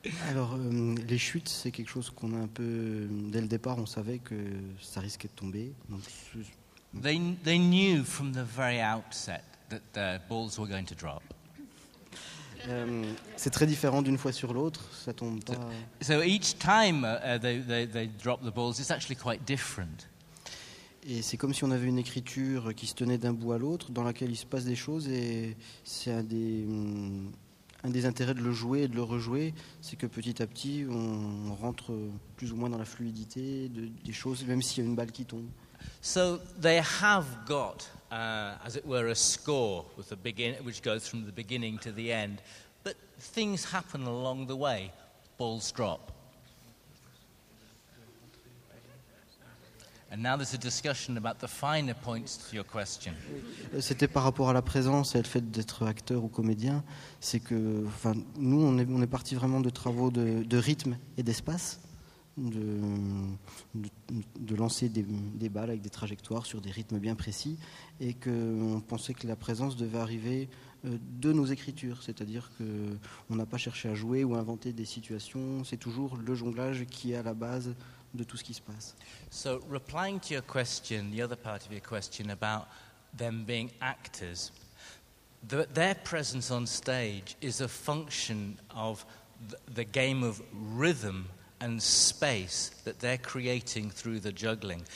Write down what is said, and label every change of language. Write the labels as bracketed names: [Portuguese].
[French] Alors, les chutes, c'est quelque chose qu'on a un peu... Dès le départ, on savait que ça risquait de tomber. Donc, [English] they knew from the very outset that the balls were going to drop. [French] C'est très différent d'une fois sur l'autre. Ça tombe pas... [English] So each time they drop the balls, it's actually quite different. [French] Et c'est comme si on avait une écriture qui se tenait d'un bout à l'autre, dans laquelle il se passe des choses, et c'est un des intérêts de le jouer et de le rejouer, c'est que petit à petit, on rentre plus ou moins dans la fluidité des choses, même s'il y a une balle qui tombe. [English] So they have got, as it were, a score with the which goes from the beginning to the end, but things happen along the way. Balls drop. And now there's a discussion about the finer points to your question. [French] C'était par rapport à la présence et le fait d'être acteur ou comédien, c'est que, enfin, nous, on est parti vraiment de travaux de rythme et d'espace, de lancer des balles avec des trajectoires sur des rythmes bien précis, et que on pensait que la présence devait arriver de nos écritures, c'est-à-dire qu'on n'a pas cherché à jouer ou à inventer des situations, c'est toujours le jonglage qui est à la base de tout ce qui se passe. [English] So, replying to your question, the other part of your question about them being actors, their presence on stage is a function of the game of rhythm and space that they're creating through the juggling.